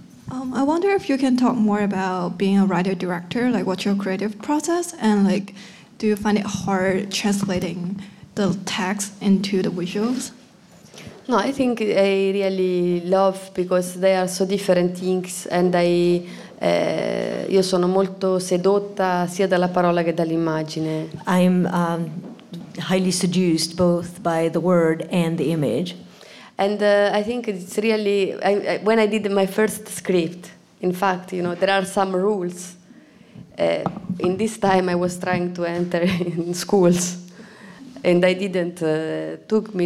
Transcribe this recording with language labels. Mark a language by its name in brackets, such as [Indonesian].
[English] I wonder if you can talk more about being a writer-director, like what's your creative process, and like, do you find it hard translating the text into the visuals? No, I think I really love, because they are so different things, and I... [Italian] io sono molto sedotta sia dalla parola che dall'immagine. [English] I'm highly seduced both by the word and the image. And I think it's really when I did my first script. In fact, you know, there are some rules. In this time, I was trying to enter in schools, and I didn't took me.